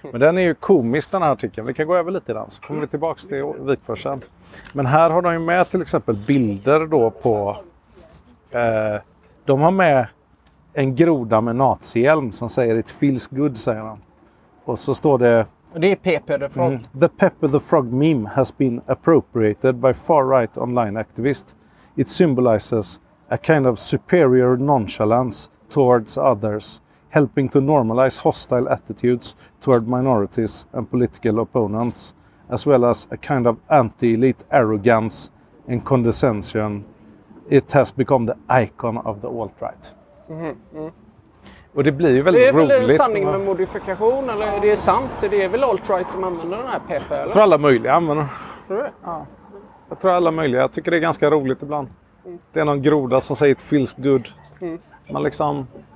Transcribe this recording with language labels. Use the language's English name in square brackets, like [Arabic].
[Swedish] Men den är ju komisk, den här artikeln. Vi kan gå över lite i den, så kommer vi tillbaka till Wikfors sen. Men här har de ju med till exempel bilder då på... de har med en groda med nazihjälm som säger [English] "It feels good", [Swedish] säger de. Och så står det... Det är Pepe the Frog. [English] "The Pepe the Frog meme has been appropriated by far-right online activists. It symbolizes a kind of superior nonchalance towards others, helping to normalize hostile attitudes toward minorities and political opponents, as well as a kind of anti-elite arrogance and condescension. It has become the icon of the alt-right." [Swedish] Och det blir ju väldigt roligt. Det är väl roligt, sanning med modifikation, eller är det sant? Det är väl alt-right som använder den här PP, eller? Jag tror alla möjliga använder. Tror du? Ja. Jag tror alla möjliga. Jag tycker det är ganska roligt ibland. Det är någon groda som säger [English] "it feels good". [Swedish] Mm. Man liksom